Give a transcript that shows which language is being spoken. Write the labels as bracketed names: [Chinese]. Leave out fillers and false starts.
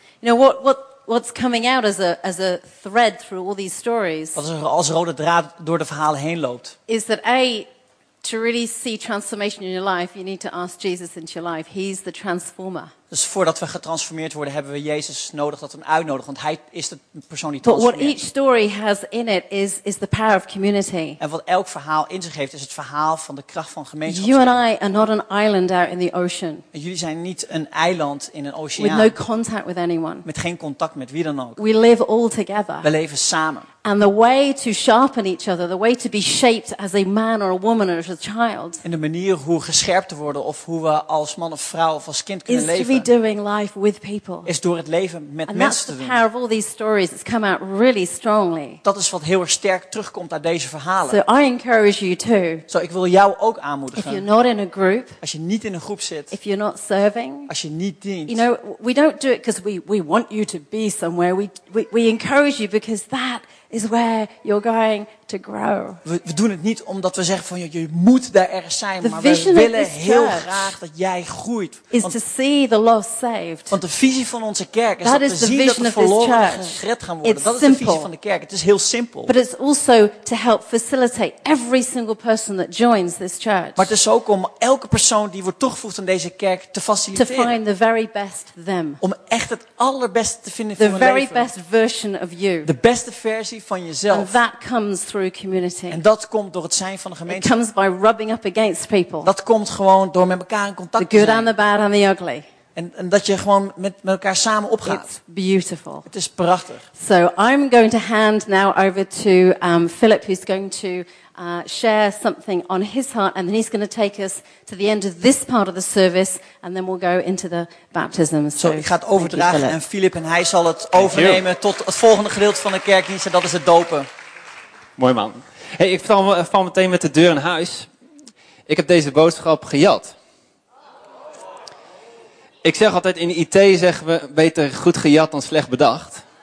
[English] You know what's coming out as a thread through all these stories? [Dutch] Wat als rode draad door de verhalen heen loopt? [English] Is that to really see transformation in your life, you need to ask Jesus into your life. He's the transformer. [Dutch] Dus voordat we getransformeerd worden, hebben we Jezus nodig dat we hem uitnodigen, want hij is de persoon die transformeert. [English] But what each story has in it is the power of community. [Dutch] En wat elk verhaal in zich heeft, is het verhaal van de kracht van gemeenschap. [English] You and I are not an island out in the ocean. [Dutch] En jullie zijn niet een eiland in een oceaan. [English] With no contact with anyone. [Dutch] Met geen contact met wie dan ook. [English] We live all together. [Dutch] We leven samen. [English] And the way to sharpen each other, the way to be shaped as a man or a woman or as a child. [Dutch] En de manier hoe gescherpt te worden of hoe we als man of vrouw of als kind kunnen leven. [English] Doing life with people. [Dutch] Is door het leven met [English] and [Dutch] mensen te doen. [English] And that's the power of all these stories. It's come out really strongly. [Dutch] Dat is wat heel erg sterk terugkomt uit deze verhalen. [English] So I encourage you too. [Dutch] Zo, ik wil jou ook aanmoedigen. [English] If you're not in a group. [Dutch] Als je niet in een groep zit. [English] If you're not serving. [Dutch] Als je niet dient. [English] You know, we don't do it because we want you to be somewhere. We encourage you because that is where you're going to grow. [Dutch] We doen het niet omdat we zeggen van je moet daar ergens zijn, maar we willen heel graag dat jij groeit. [English] Is want, to see the lost saved. [Dutch] Want de visie van onze kerk is that dat is we zien dat de verloren gered gaan worden. [English] It's [Dutch] dat is [English] simple. [Dutch] De visie van de kerk. Het is heel simpel. [English] But it's also to help facilitate every single person that joins this church. [Dutch] Maar het is ook om elke persoon die wordt toegevoegd aan deze kerk te faciliteren. [English] To find the very best them. [Dutch] Om echt het allerbeste te vinden van [English] the [Dutch] hun [English] very [Dutch] leven. [English] Best version of you. [Dutch] De beste versie van jezelf. [English] And that comes through community. [Dutch] En dat komt door het zijn van de gemeente. [English] It comes by rubbing up against people. [Dutch] Dat komt gewoon door met elkaar in contact [English] the good [Dutch] te zijn. [English] And the bad and the ugly. [Dutch] En dat je gewoon met elkaar samen opgaat. [English] It's beautiful. [Dutch] Het is prachtig. [English] So I'm going to hand now over to Philip, who's going to share something on his heart, and then he's going to take us to the end of this part of the service, and then we'll go into the baptism. [Dutch] So ik ga het overdragen aan Philip, en hij zal het overnemen tot het volgende gedeelte van de kerkdienst, en dat is het dopen. Mooi man. Hey, ik val meteen met de deur in huis. Ik heb deze boodschap gejat. Ik zeg altijd in IT zeggen we beter goed gejat dan slecht bedacht.